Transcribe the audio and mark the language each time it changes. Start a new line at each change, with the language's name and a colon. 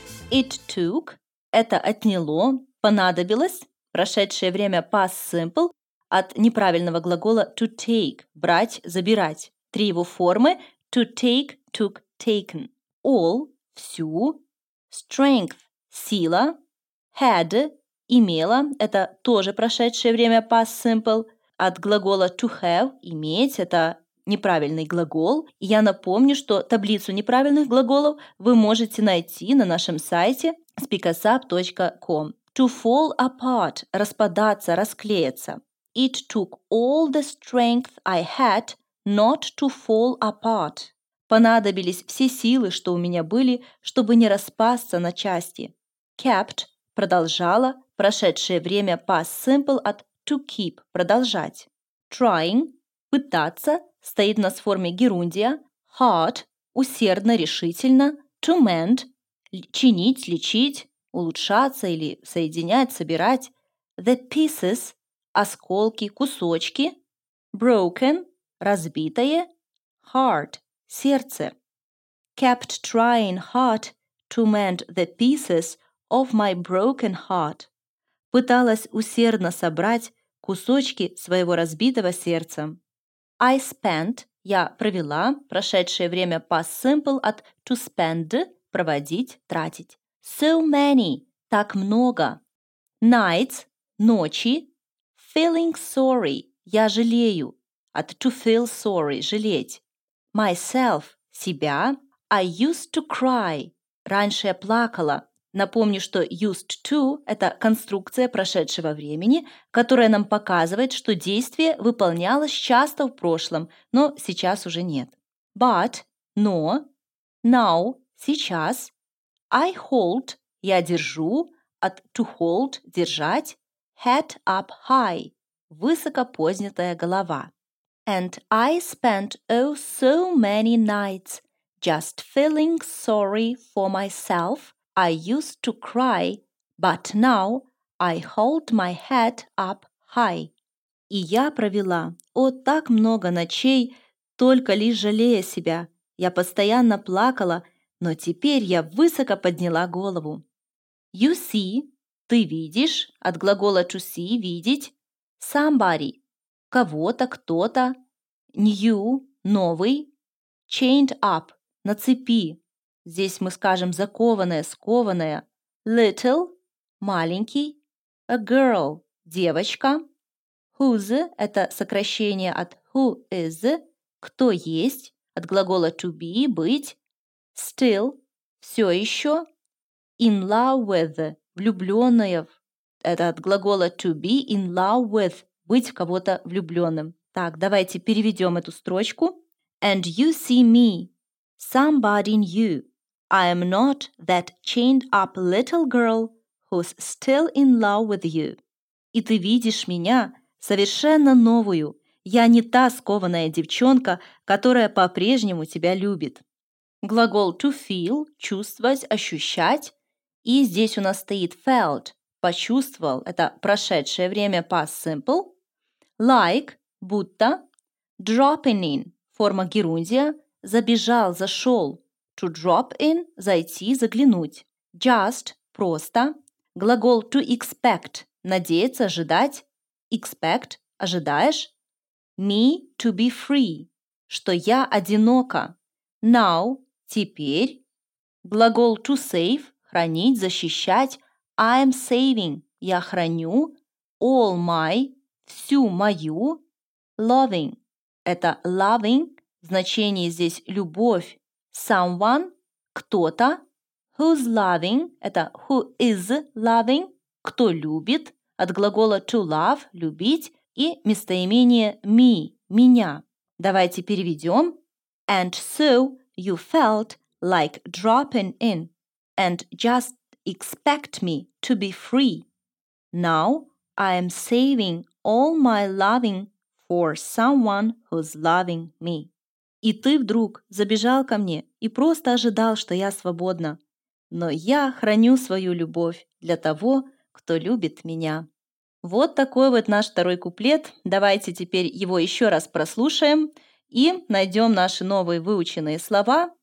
English: It took
Russian: – это отняло, понадобилось, прошедшее время
English: past simple,
Russian: от неправильного глагола
English: to take
Russian: – брать, забирать. Три его формы –
English: to take, took, taken.
Russian: All – всю.
English: Strength
Russian: – сила.
English: Had
Russian: – имела – это тоже прошедшее время
English: past simple.
Russian: От глагола
English: to have
Russian: – иметь – это неправильный глагол. И я напомню, что таблицу неправильных глаголов вы можете найти на нашем сайте speakersup.com.
English: To fall apart –
Russian: распадаться, расклеиться.
English: It took all the strength I had not to fall apart.
Russian: Понадобились все силы, что у меня были, чтобы не распасться на части.
English: Kept
Russian: – продолжала, прошедшее время
English: past simple
Russian: от
English: to keep
Russian: – продолжать.
English: Trying
Russian: – пытаться. Стоит у нас в форме герундия.
English: Hard
Russian: – усердно, решительно.
English: To mend
Russian: – чинить, лечить, улучшаться или соединять, собирать.
English: The pieces
Russian: осколки, кусочки.
English: Broken
Russian: – разбитое.
English: Hard
Russian: – сердце.
English: Kept trying hard to mend the pieces of my broken heart.
Russian: Пыталась усердно собрать кусочки своего разбитого сердца.
English: I spent
Russian: – я провела, прошедшее время
English: past simple
Russian: от
English: to spend
Russian: – проводить, тратить.
English: So many
Russian: – так много.
English: Nights
Russian: – ночи.
English: Feeling sorry
Russian: – я жалею. От
English: to feel sorry
Russian: – жалеть.
English: Myself
Russian: – себя.
English: I used to cry –
Russian: раньше я плакала. Напомню, что
English: used to
Russian: – это конструкция прошедшего времени, которая нам показывает, что действие выполнялось часто в прошлом, но сейчас уже нет.
English: But
Russian: – но.
English: Now
Russian: – сейчас.
English: I hold
Russian: – я держу. От
English: to hold
Russian: – держать.
English: Head up high
Russian: – высоко поднятая голова.
English: And I spent oh so many nights just feeling sorry for myself. I used to cry, but now I hold my head up high.
Russian: И я провела, о, так много ночей, только лишь жалея себя. Я постоянно плакала, но теперь я высоко подняла голову.
English: You see,
Russian: ты видишь, от глагола
English: to see,
Russian: видеть,
English: somebody,
Russian: кого-то, кто-то,
English: new,
Russian: новый,
English: chained up,
Russian: на цепи. Здесь мы скажем закованное, скованное. Little – маленький.
English: A girl
Russian: – девочка.
English: Whose
Russian: – это сокращение от
English: who is
Russian: – кто есть, от глагола
English: to be
Russian: – быть.
English: Still
Russian: – все еще.
English: In love with
Russian: – влюбленная. Это от глагола
English: to be in love with
Russian: – быть в кого-то влюбленным. Так, давайте переведем эту строчку.
English: And you see me – somebody new. I am not that chained up little girl who's still in love with you.
Russian: И ты видишь меня совершенно новую. Я не та скованная девчонка, которая по-прежнему тебя любит. Глагол
English: to feel
Russian: – чувствовать, ощущать. И здесь у нас стоит
English: felt
Russian: – почувствовал. Это прошедшее время
English: past simple. Like
Russian: – будто.
English: Dropping in
Russian: – форма герундия. Забежал, зашел.
English: To drop in
Russian: – зайти, заглянуть.
English: Just
Russian: – просто. Глагол
English: to expect
Russian: – надеяться, ожидать.
English: Expect
Russian: – ожидаешь.
English: Me – to be free –
Russian: что я одинока.
English: Now
Russian: – теперь. Глагол
English: to save
Russian: – хранить, защищать.
English: I am saving –
Russian: я храню.
English: All my
Russian: – всю мою.
English: Loving
Russian: – это
English: loving,
Russian: в значении здесь любовь.
English: Someone
Russian: – кто-то.
English: Who's loving – это who is loving –
Russian: кто любит. От глагола
English: to love
Russian: – любить. И местоимение
English: me
Russian: – меня. Давайте переведем.
English: And so you felt like dropping in and just expect me to be free. Now I am saving all my loving for someone who's loving me.
Russian: И ты вдруг забежал ко мне и просто ожидал, что я свободна. Но я храню свою любовь для того, кто любит меня. Вот такой вот наш второй куплет. Давайте теперь его еще раз прослушаем и найдем наши новые выученные слова.